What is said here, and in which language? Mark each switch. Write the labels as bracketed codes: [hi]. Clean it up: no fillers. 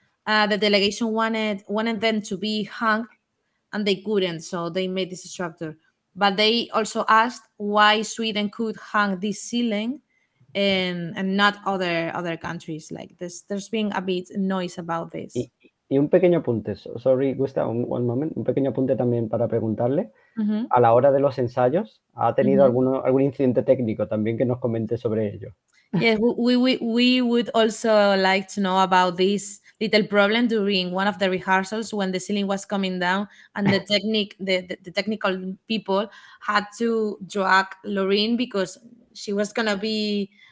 [en] The delegation wanted them to be hung and they couldn't, so they made this structure. But they also asked why Sweden could hang this ceiling and not other countries. Like this, there's been a bit noise about this. [es] Y un pequeño apunte, [en] sorry [es] Gustav, [en] one moment, [es] un pequeño apunte también para preguntarle. Uh-huh. A la hora de los ensayos, ¿ha tenido uh-huh. algún incidente técnico también que nos comente sobre ello? [en] Yeah, we would also like to know about this little problem during one of the rehearsals when the ceiling was coming down and the technical people had to drag Loreen because she was going to be